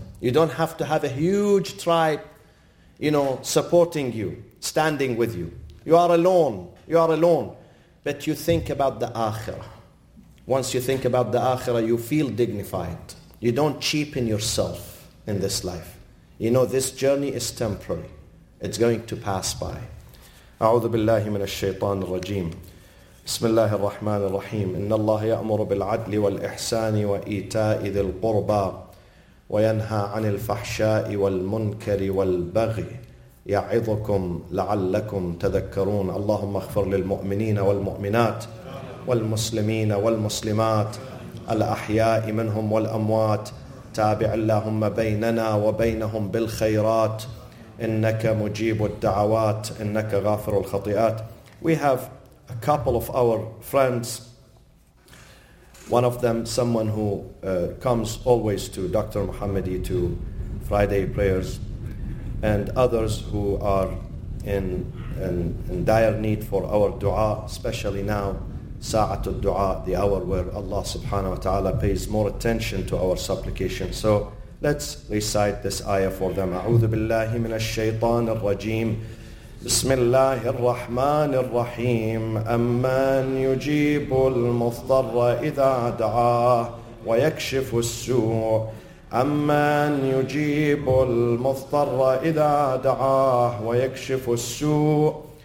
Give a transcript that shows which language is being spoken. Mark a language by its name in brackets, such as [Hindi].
[English] You don't have to have a huge tribe, you know, supporting you, standing with you. You are alone. But you think about the Akhirah. Once you think about the Akhirah, you feel dignified. You don't cheapen yourself in this life. You know, this journey is temporary. It's going to pass by. [Arabic] أعوذ بالله من الشيطان الرجيم بسم الله الرحمن الرحيم إن الله يأمر بالعدل والإحسان وإيتاء ذي القربى وينهى عن الفحشاء والمنكر والبغي يعظكم لعلكم تذكرون اللهم اغفر للمؤمنين والمؤمنات والمسلمين والمسلمات الأحياء منهم والأموات تابع اللهم بيننا وبينهم بالخيرات إنك مجيب الدعوات إنك غافر الخطيئات. [English] We have a couple of our friends. One of them, someone who comes always to Dr. Muhammadi to Friday prayers, and others who are in dire need for our dua, especially now, Sa'atul Dua, the hour where Allah subhanahu wa ta'ala pays more attention to our supplication. So let's recite this ayah for them. [Arabic] أعوذ بالله من الشيطان الرجيم بسم الله الرحمن الرحيم أمن يجيب المضطر إذا دعاه ويكشف السوء أمن يجيب المضطر إذا دعاه ويكشف السوء